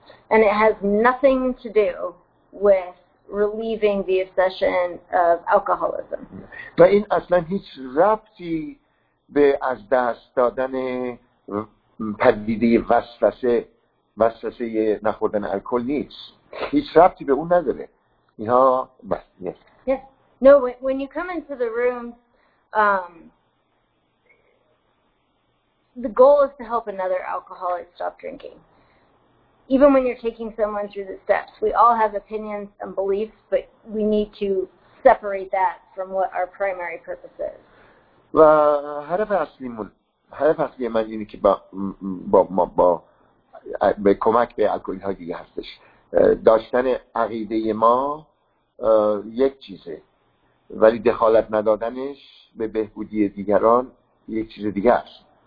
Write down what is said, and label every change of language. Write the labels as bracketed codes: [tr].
[en] And it has nothing to do with relieving the obsession of alcoholism. [fa] و این اصلا هیچ ربطی به از دست دادن پدیده وسوسه نخوردن الکل نیست. هیچ ربطی به اون نداره. اینها بس. [en] Yes. No, when you come into the room, the goal is to help another alcoholic stop drinking. Even when you're taking someone through the steps, we all have opinions and beliefs, but we need to separate that from what our primary purpose is. [fa] و هدف اصلی من اینه که با کمک به الکلی‌ها دیگه هستش. داشتن عقیده ما یک چیزه، ولی دخالت ندادنش به بهبودی دیگران یک چیز دیگه است.